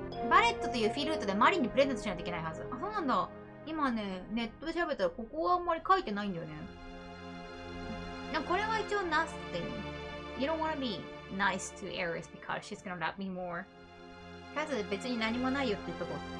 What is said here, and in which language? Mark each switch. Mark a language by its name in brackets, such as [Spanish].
[Japanese] バレットというフィルートでマリンにプレゼントしないといけないはず。あ、そうなんだ。今ね、ネットで調べたらここはあんまり書いてないんだよね。なんかこれは一応 nothing. [English] You don't wanna be nice to Aries because she's gonna love me more. [Japanese] とりあえず別に何もないよって言っとこう。